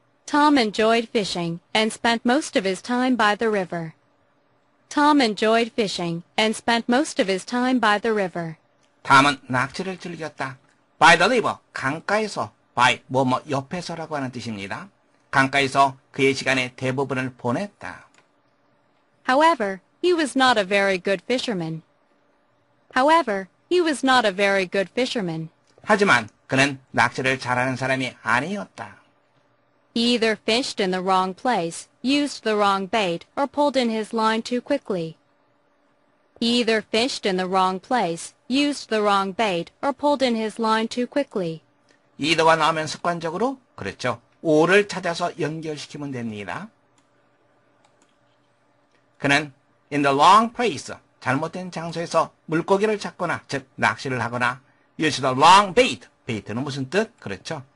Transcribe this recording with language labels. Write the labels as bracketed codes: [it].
[en] Tom enjoyed fishing and spent most of his time by the river. Tom enjoyed fishing and spent most of his time by the river. [ko] 다음은 낚시를 즐겼다. [en] By the river, [ko] 강가에서, by 뭐뭐 옆에서라고 하는 뜻입니다. 강가에서 그의 시간의 대부분을 보냈다. [en] However, he was not a very good fisherman. However, he was not a very good fisherman. [ko] 하지만 그는 낚시를 잘하는 사람이 아니었다. [en] He either fished in the wrong place, used the wrong bait, or pulled in his line too quickly. He either fished in the wrong place, used the wrong bait, or pulled in his line too quickly. [ko] Either가 나오면 습관적으로, 그렇죠. Or를 찾아서 연결시키면 됩니다. 그는 [en] in the wrong place, [ko] 잘못된 장소에서 물고기를 잡거나, 즉 낚시를 하거나, [en] used the wrong bait. [ko] Bait는 무슨 뜻? 그렇죠.